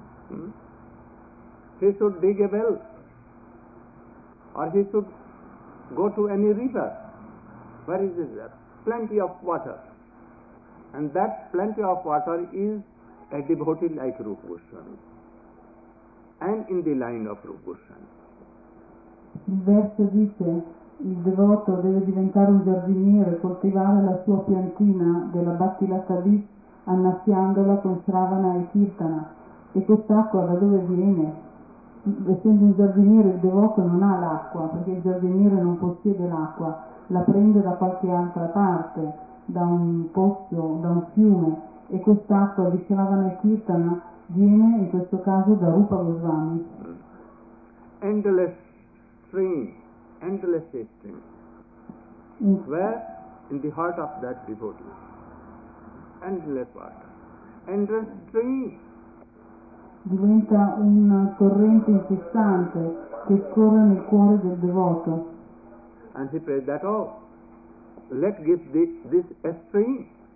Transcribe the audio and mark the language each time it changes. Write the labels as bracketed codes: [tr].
[en] He should dig a well, or he should go to any river. Where is this? Plenty of water. And that plenty of water is a devotee like Rupa Goswami, and in the line of Rupa Goswami. [it] Il verso dice: il devoto deve diventare un giardiniere e coltivare la sua piantina della Bhakti Lata Di, annaffiandola con Shravana e Kirtana. E quest'acqua da dove viene? Essendo un giardiniere, il devoto non ha l'acqua, perché il giardiniere non possiede l'acqua, la prende da qualche altra parte, da un pozzo, da un fiume. E quest'acqua di Shravana e Kirtana viene in questo caso da Rupa Goswami. [en] Endless stream. Endless stream. Where? In the heart of that devotee. Endless water. Endless stream. [it] Diventa un torrente incessante che scorre nel cuore del devoto. [en] And he prays that, oh, let give this a stream.